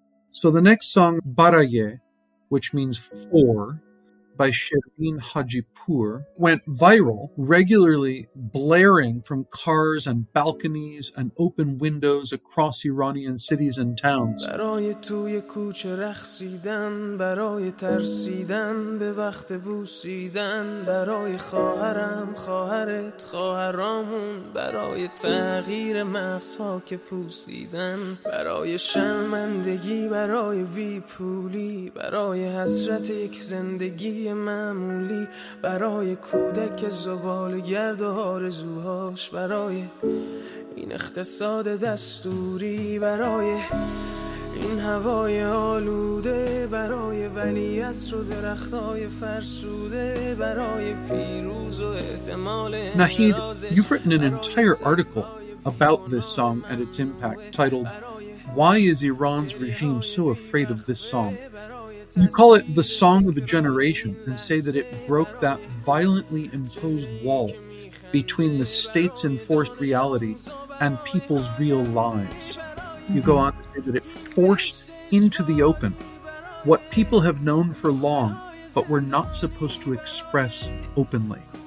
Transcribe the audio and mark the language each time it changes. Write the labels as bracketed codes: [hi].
[en] So the next song, Baraye, which means for, by Shervin Hajipur, went viral, regularly blaring from cars and balconies and open windows across Iranian cities and towns. [fa] برای توی کوچه رخصیدن برای ترسیدن به وقت بوسیدن برای خواهرم خواهرت خواهرامون برای تغییر مغزها که پوسیدن برای شرمندگی برای بی پولی برای حسرت یک زندگی معمولی برای کودک زبال گرد و آرزوهاش برای این اقتصاد دستوری برای این هوای آلوده برای ولی عصر و درختای فرسوده برای پیروز و احتمال [en] Nahid, you've written an entire article about this song and its impact titled Why is Iran's regime so afraid of this song? You call it the song of a generation and say that it broke that violently imposed wall between the state's enforced reality and people's real lives. You go on to say that it forced into the open what people have known for long but were not supposed to express openly.